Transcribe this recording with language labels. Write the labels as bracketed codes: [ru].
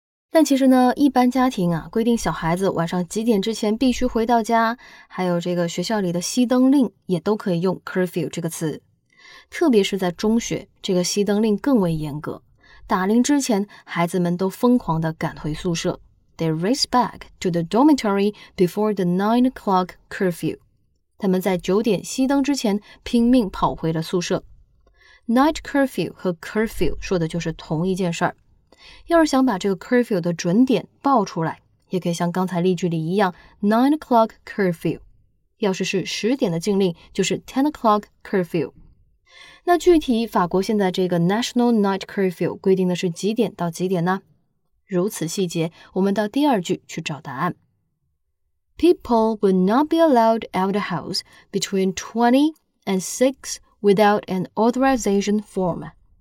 [zh] 但其实呢，一般家庭啊，规定小孩子晚上几点之前必须回到家，还有这个学校里的熄灯令也都可以用 curfew 这个词。特别是在中学，这个熄灯令更为严格，打铃之前孩子们都疯狂地赶回宿舍。 [en] They race back to the dormitory before the 9 o'clock curfew. [zh] 他们在九点熄灯之前拼命跑回了宿舍。 Night curfew 和 curfew 说的就是同一件事儿。要是想把这个 curfew 的准点报出来，也可以像刚才例句里一样 9 o'clock curfew， 要是是10点的禁令就是 10 o'clock curfew。那具体法国现在这个 national night curfew 规定的是几点到几点呢？如此细节，我们到第二句去找答案。 [en] People will not be allowed out of house between 20 and 6 without an authorization form。